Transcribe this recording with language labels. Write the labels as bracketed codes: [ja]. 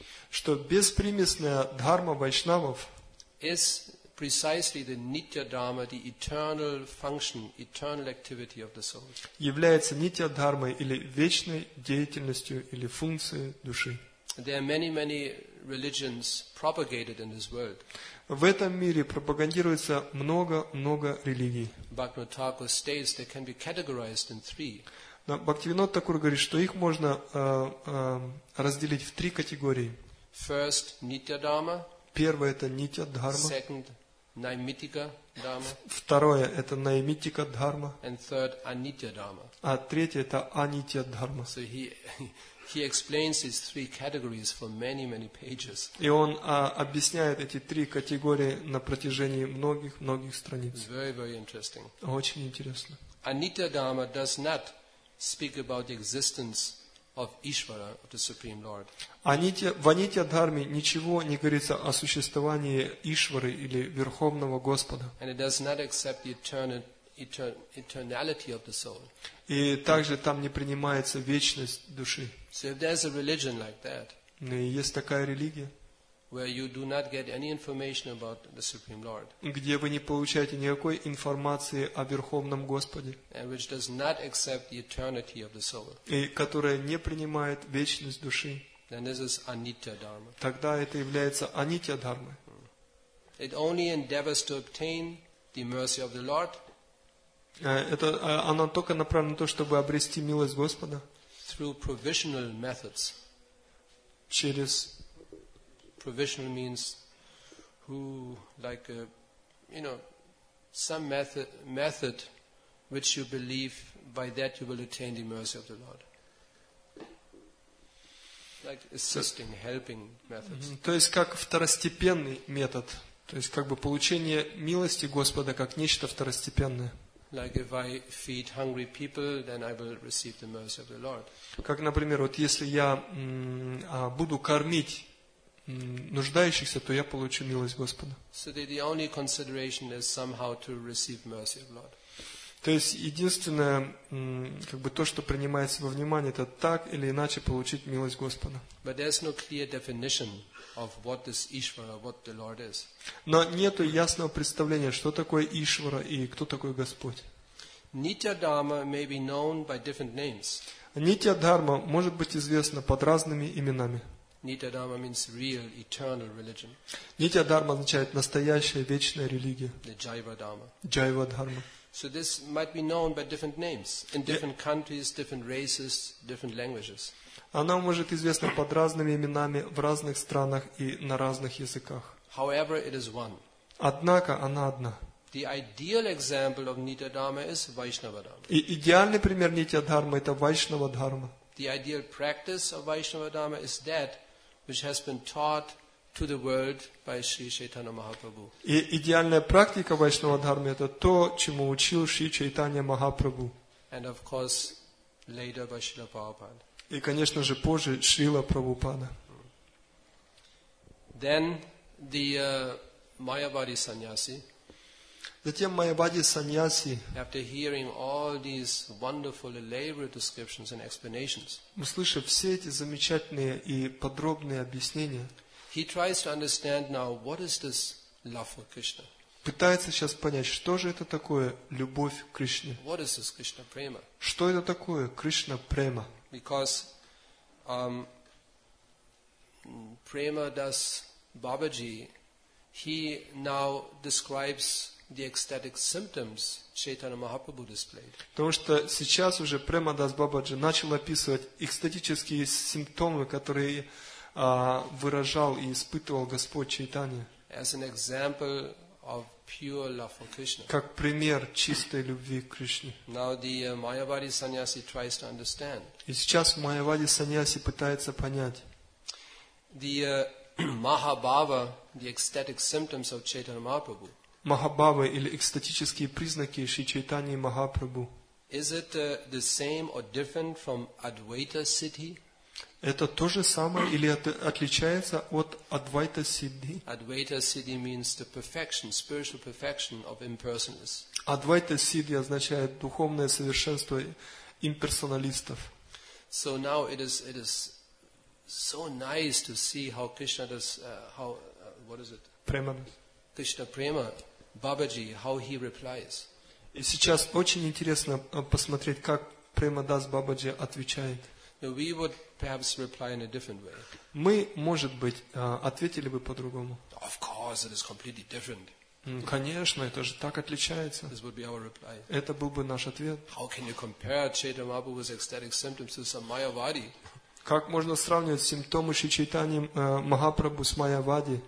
[ru] Что беспримесная дхарма вайшнавов [en] is precisely the nitya dharma, the eternal function, eternal activity of the soul. [ru] Является нитья дхармой или вечной деятельностью или функцией души. [en] There are many, many religions propagated in this world. [ru] В этом мире пропагандируется много, много религий. [en] Bhaktivinoda Thakur states they can be categorized in three. [ru] Бхактивинода Такур говорит, что их можно разделить в три категории. [en] First, nitya dharma. [ru] Первое это нитья дхарма. [en] Second, наймитика дхарма. [ru] Второе это наймитика дхарма. [en] And third, анитья дхарма. [ru] А третье это анитья дхарма. [en] So he explains these three categories for many, many pages. [ru] И он объясняет эти три категории на протяжении многих, многих страниц. [en] Very, very interesting. [ru] Очень интересно. [en] Анитья дхарма does not speak about the existence of Ishvara, of the Supreme Lord. [ru] В Анитья Дхарме ничего не говорится о существовании Ишвары или Верховного Господа. [en] And it does not accept the eternality of the soul. [ru] И также там не принимается вечность души. [en] So if there's a religion like that, [ru] есть такая религия, [en] where you do not get any information about the Supreme Lord, [ru] где вы не получаете никакой информации о Верховном Господе, [en] and which does not accept the eternity of the soul, [ru] и которая не принимает вечность души, [en] then this is anitya dharma. [ru] Тогда это является анитья дхармой. [en] It only endeavors to obtain the mercy of the Lord. [ru] Это оно только направлено на то, чтобы обрести милость Господа. [en] Through provisional methods. [ru] Через [en] provisional means who like a, you know, some method which you believe by that you will attain the mercy of the Lord. Like assisting, helping methods. [ru] То есть как второстепенный метод. То есть как бы получение милости Господа как нечто второстепенное. [en] Like if I feed hungry people, then I will receive the mercy of the Lord. [ru] Как, например, вот если я буду кормить нуждающихся, то я получу милость Господа. [en] So the only consideration is somehow to receive mercy of the Lord. [ru] То есть единственное, как бы то, что принимается во внимание, это так или иначе получить милость Господа. [en] But there's no clear definition of what is Ishvara, what the Lord is. [ru] Но нету ясного представления, что такое Ишвара и кто такой Господь. [en] Nitya Dharma may be known by different names. [ru] Нитья Дхарма может быть известна под разными именами. [en] Nitya Dharma means real, eternal religion. [ru] Нитья Дхарма означает настоящая вечная религия. [en] The Jiva Dharma. [ru] Jiva Dharma. [en] So this might be known by different names in different countries, different races, different languages. [ru] Она может известна под разными именами в разных странах и на разных языках. [en] However, it is one. [ru] Однако она одна. [en] The ideal example of Nitya Dharma is Vaishnava Dharma. [ru] И идеальный пример Нитья Дхармы это Вайшнава Дхарма. [en] The ideal practice of Vaishnava Dharma is that which has been taught to the world by Sri Chaitanya Mahaprabhu. [ru] И идеальная практика Вайшнава Дхармы это то, чему учил Шри Чайтанья Махапрабху. [en] And of course, later by Srila Prabhupada. [ru] И, конечно же, позже Шрила Прабхупада. [en] Then the Mayavadi sannyasi. [ru] Затем Mayavadi sannyasi. [en] After hearing all these wonderful elaborate descriptions and explanations. [ru] Услышав все эти замечательные и подробные объяснения. [en] He tries to understand now what is this love for Krishna. [ru] Пытается сейчас понять, что же это такое любовь к Кришне. [en] What is this Krishna prema? [ru] Что это такое Кришна према? [en] Because prema das Babaji, he now describes the ecstatic symptoms Chaitanya Mahaprabhu displayed. [ru] Потому что сейчас уже Према дас Бабаджи начал описывать экстатические симптомы, которые выражал и испытывал Господь Чайтанья. [en] As an example of pure love for Krishna. [ru] Как пример чистой любви к Кришне. [en] Now the Mayavadi sannyasi tries to understand. [ru] И сейчас Mayavadi sannyasi пытается понять. [en] The Mahabhava, the ecstatic symptoms of Chaitanya Mahaprabhu. [ru] Mahabhava или экстатические признаки Шри Чайтаньи Махапрабху. [en] Is it the same or different from Advaita Siddhi? [ru] Это то же самое или отличается от Advaita Siddhi? [en] Advaita Siddhi means the perfection, spiritual perfection of impersonalists. [ru] Advaita Siddhi означает духовное совершенство имперсоналистов. [en] So now it is so nice to see how Krishna does how what is it? Prema. Krishna Prema, Babaji, how he replies. [ru] И сейчас очень интересно посмотреть, как Prema Das Babaji отвечает. [en] We would perhaps reply in a different way. [ru] Мы, может быть, ответили бы по-другому. [en] Of course, it is completely different. [ru] Конечно, это же так отличается. [en] This would be our reply. [ru] Это был бы наш ответ. [en] How can you compare Chaitanya Mahaprabhu's ecstatic symptoms to some Mayavadi? [ru] Как можно сравнивать симптомы Шри Чайтаньи Махапрабху с Майявади?